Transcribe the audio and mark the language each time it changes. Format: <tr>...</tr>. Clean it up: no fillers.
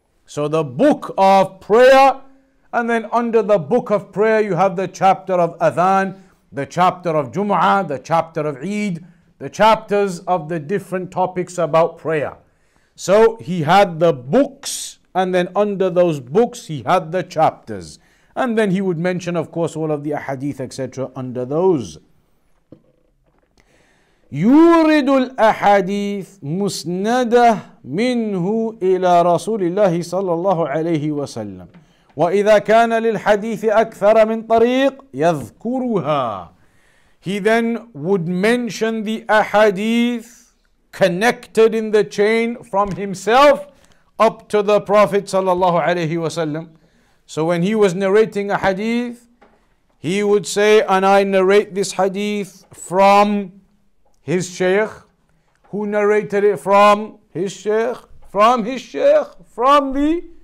<en>So the book of prayer, and then under the book of prayer, you have the chapter of Adhan, the chapter of Jum'ah, the chapter of Eid, the chapters of the different topics about prayer. So he had the books, and then under those books, he had the chapters. And then he would mention, of course, all of the ahadith, etc. under those.</en> <ar>يورد الأحاديث مسندة منه إلى رسول الله صلى الله عليه وسلم. وَإِذَا كَانَ لِلْحَدِيثِ أَكْثَرَ مِنْ طَرِيقٍ يَذْكُرُهَا.</ar> <en>He then would mention the ahadith connected in the chain from himself up to the Prophet sallallahu alayhi wasallam. So when he was narrating a hadith, he would say, and I narrate this hadith from his sheikh, who narrated it from his sheikh, from his sheikh, from the</en>